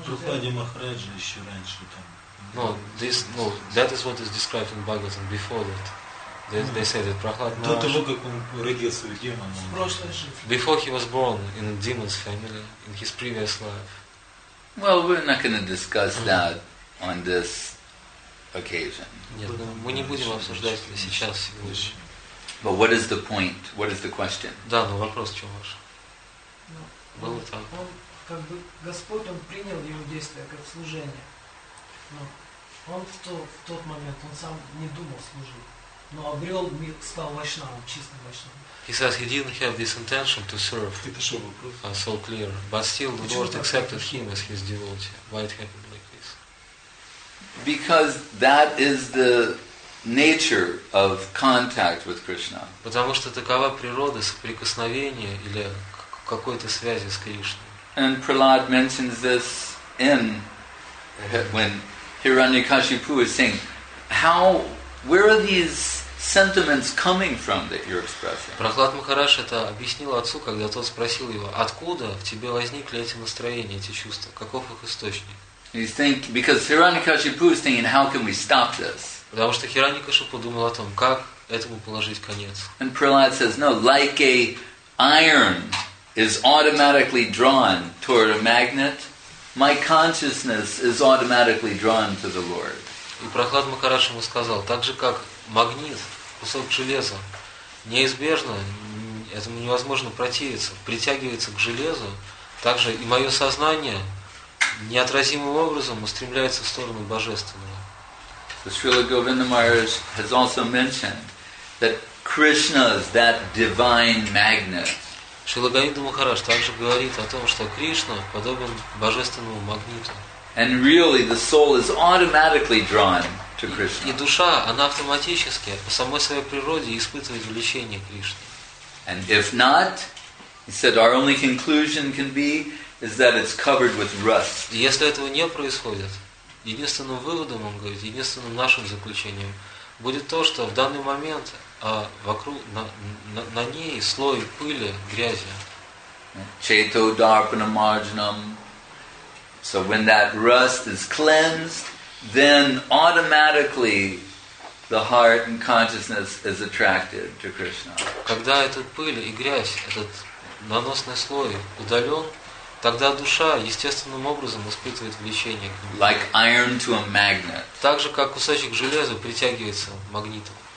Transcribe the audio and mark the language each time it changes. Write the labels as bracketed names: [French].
[Russian] Прохладе Махараджи еще раньше там. [English] No, that is what is described in Bhagavatam before that. They say that Прохлад Махараджи... [Russian] До того, как он родился в демоне. В прошлой жизни. [English] Before he was born in a demon's family, in his previous life. Well, we're not going to discuss that on this occasion. [Russian] Нет, мы не будем обсуждать это сейчас, сегодня. [English] But what is the point? What is the question? [Russian] Да, но вопрос в чем ваш? Был там. Он как бы Господь, он принял его действия как служение. Но он в тот момент он сам не думал служить, но обрел мир, стал вайшнавом, чистым вайшнавом. [English] He says he didn't have this intention to serve. [Russian] Это что вопрос? [English] So clear. But still, the Lord accepted him as his devotee. Why it happened? Because that is the nature of contact with Krishna. [Russian] Потому что такова природа соприкосновения или какой-то связи с Кришной. [English] And Prahlad mentions this in when Hiranyakashipu is saying, where are these sentiments coming from that you're expressing? [Russian] Прохлад Махараш это объяснил отцу, когда тот спросил его, откуда в тебе возникли эти настроения, эти чувства, каков их источник? [English] He's thinking, because Hiranyakashipu is thinking, how can we stop this? [Russian] Потому что Хираньякашипу подумал о том, как этому положить конец. [English] And Prahlad says, no, like a iron is automatically drawn toward a magnet, my consciousness is automatically drawn to the Lord. [Russian] И Прахлад Махарадж ему сказал, так же как магнит, кусок железа, неизбежно, этому невозможно противиться, притягивается к железу, так же и мое сознание неотразимым образом устремляется в сторону Божественного. [English] So Srila Govinda Maharaj has also mentioned that Krishna is that divine magnet. [Russian] Srila Govinda Maharaj также говорит о том, что Кришна подобен божественному магниту. [English] And really the soul is automatically drawn to Krishna. [Russian] И душа, она автоматически по самой своей природе испытывает влечение к Кришне. [English] And if not, he said, our only conclusion can be is that it's covered with rust. [Russian] Если этого не происходит, единственным выводом, он говорит, единственным нашим заключением будет то, что в данный момент вокруг на ней слой пыли, грязи. [Sanskrit] Chaito darpana marjanam. [English] So when that rust is cleansed, then automatically the heart and consciousness is attracted to Krishna. [Russian] Когда эта пыль и грязь, этот наносный слой удален, тогда душа естественным образом испытывает влечение к нему. [English] Like iron to a magnet. [Russian] Так же, как кусочек железа притягивается магнитом.